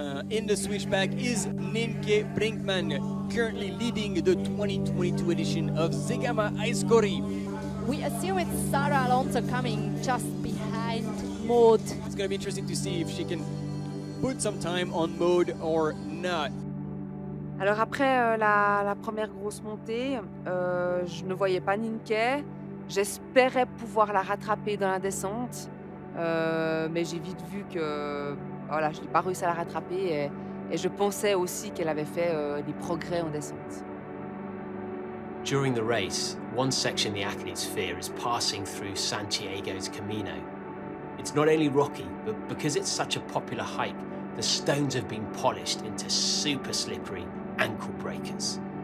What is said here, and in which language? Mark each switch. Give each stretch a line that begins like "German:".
English: In the switchback is Nienke Brinkmann, currently leading the 2022 edition of Zegama Aizkori. We assume it's Sara Alonso coming just behind Maud. It's going to be interesting to see if she can put some time on Maud or not.
French: Alors après la première grosse montée, je ne voyais pas Nienke. J'espérais pouvoir la rattraper dans la descente, mais j'ai vite vu que voilà, je n'ai pas réussi à la rattraper et je pensais aussi qu'elle avait fait des progrès en descente.
English: During the race, one section the athletes fear is passing through Santiago's Camino. It's not only rocky, but because it's such a popular hike, the stones have been polished into super slippery ankle breakers.